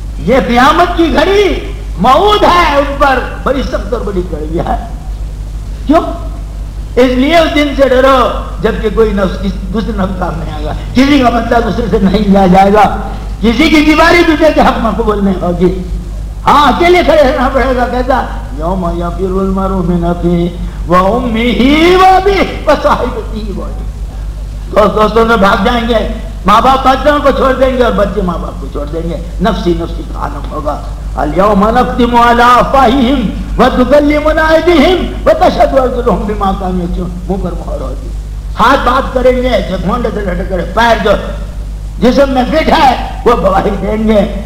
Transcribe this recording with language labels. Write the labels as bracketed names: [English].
[Urdu] یہ قیامت کی گھڑی موعود ہے, ان پر بڑی سخت اور بڑی کڑوی ہے. کیوں؟ اس لیے اس دن سے ڈرو جب کہ کوئی نفس دوسرے نفس کام نہیں آئے گا, کسی کا مطلب دوسرے سے نہیں لیا جائے گا, کسی کی دیواری دوسرے کے حق میں قبول نہیں ہوگی. ہاں اکیلے کھڑے رہنا پڑے گا. [Arabic] کیسا؟ یوم یفر المرء من اخیه وامه وابیه وصاحبته وبنیه. [Urdu] دوستوں میں بھاگ جائیں گے, ماں باپ بچوں کو چھوڑ دیں گے اور بچے ماں باپ کو چھوڑ دیں گے. نفسی نفسی کا عالم ہوگا. [Arabic] الیوم نختم علی افواہہم وتکلمنا ایدیہم وتشهد ارجلهم بما کانوا یفعلون. [Urdu] منہ پر مہر ہوگی, ہاتھ بات کریں گے, جو گھونڈے سے لٹک رہے پیر جو جسم میں فٹ ہے وہ گواہی دیں گے.